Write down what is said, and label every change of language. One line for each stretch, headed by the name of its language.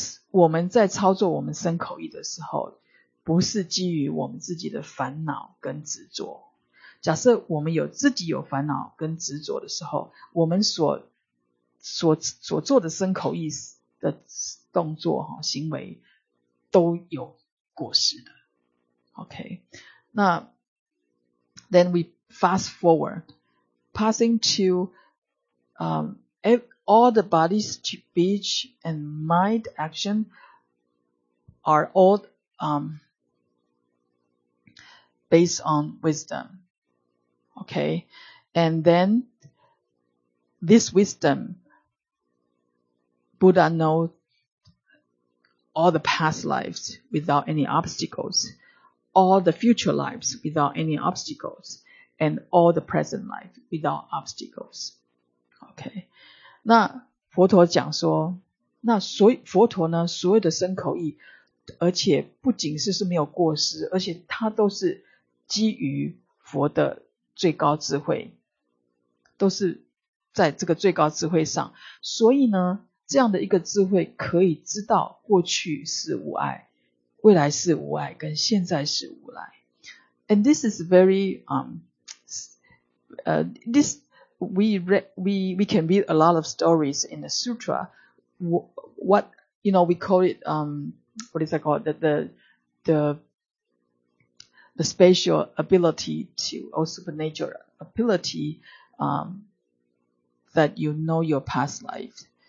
Chinese: 我们在操作我们身口意的时候，不是基于我们自己的烦恼跟执着。假设我们自己有烦恼跟执着的时候，我们所做的身口意的动作行为都有过失的。
English: OK, 那 then we fast forward passing to all the body speech and mind action are all based on wisdom. OK, and then this wisdom Buddha knows all the past lives without any obstacles, all the future lives without any obstacles, and all the present life without obstacles. Okay.
Chinese: 那佛陀讲说，那所以佛陀呢，所有的身口意，而且不仅是没有过失，而且他都是基于佛的最高智慧，都是在这个最高智慧上，所以呢这样的一个智慧可以知道过去是无碍，未来是无碍，跟现在是无碍。
English: And this is very, this we can read a lot of stories in the sutra. What you know, we call it what is that called? The spatial ability to or supernatural ability that you know your past life.